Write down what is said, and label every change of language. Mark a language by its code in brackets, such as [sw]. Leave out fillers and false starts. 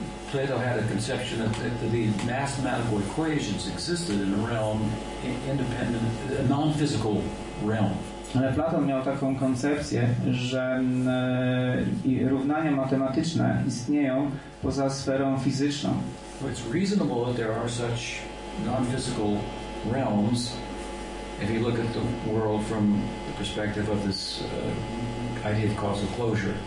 [en] Plato had a conception that the mathematical equations existed in a realm independent, a non-physical realm. [pl] Ale Platon miał taką koncepcję, że równania matematyczne istnieją poza sferą fizyczną. [en] Well, it's reasonable that there are such non-physical realms if you look at the world from the perspective of this idea of causal closure.